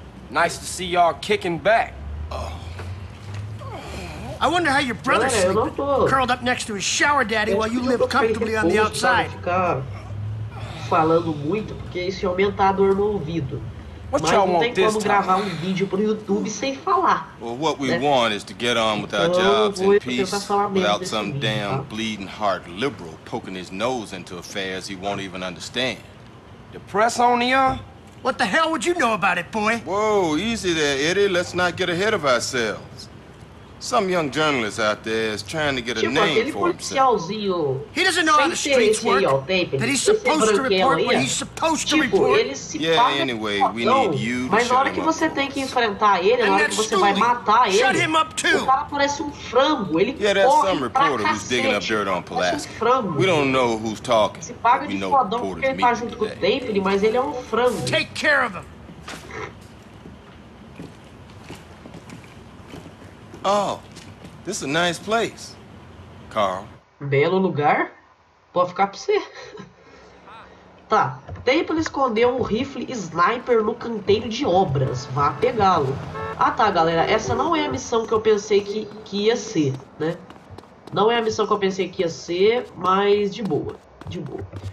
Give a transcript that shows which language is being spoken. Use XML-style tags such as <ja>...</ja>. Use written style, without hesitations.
<en>Nice to see y'all kicking back. I wonder how your brother is curled up next to his shower daddy while you live comfortably on the outside.</en> <pt>Falando muito, porque isso ia aumentar a dor no ouvido. Mas não tem como gravar um vídeo pro YouTube sem falar.</pt> <en>Well, what we want is to get on with our jobs in peace without some damn bleeding heart liberal poking his nose into affairs he won't even understand. The press on ya? What the hell would you know about it, boy? Whoa, easy there, Eddie. Let's not get ahead of ourselves. Some young journalist out there is trying to get a name for himself. He doesn't know how the streets work. That he's supposed to report what he's supposed to report. Yeah, anyway, we need you to shut him up.</en> <pt>Mas na hora que você tem que enfrentar ele, na hora que você vai matar ele,</pt> <en>shut him up too.</en> <pt>O cara parece frango. Ele corre.</pt> <en>Yeah, that's some reporter who's digging up dirt on Pulaski. We don't know who's talking.</en> <pt>Se paga de fodão porque ele tá junto com o Tapley, mas ele é um frango.</pt> <en>Take care of him. Oh, this is a nice place, Carl.</en> <pt>Belo lugar. Pode ficar pra você. Tá. Temple escondeu um rifle sniper no canteiro de obras. Vá pegá-lo. Ah, tá, galera. Essa não é a missão que eu pensei que ia ser, né? Não é a missão que eu pensei que ia ser, mas de boa. De boa.</pt>